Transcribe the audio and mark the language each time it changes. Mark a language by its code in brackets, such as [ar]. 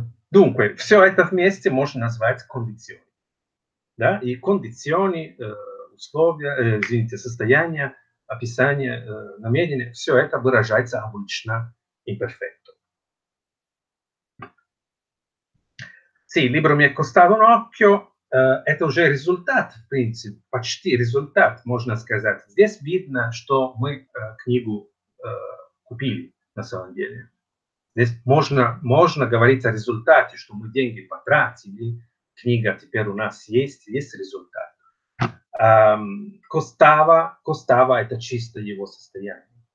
[it] Dunque, [ru] все это вместе можно назвать кондиционе. Да? И кондиционе, условия, извините, состояние, описание, намерение, все это выражается обычно имперфект. [it] Sì, il libro mi è costato un occhio, è già il risultato, in principio, [ru] почти [it] risultato, [ru] можно сказать. Здесь видно, что мы книгу купили, на самом деле. Здесь можно говорить о результате, что мы деньги потратили, книга теперь у нас есть результат. Costava, это чисто его состояние.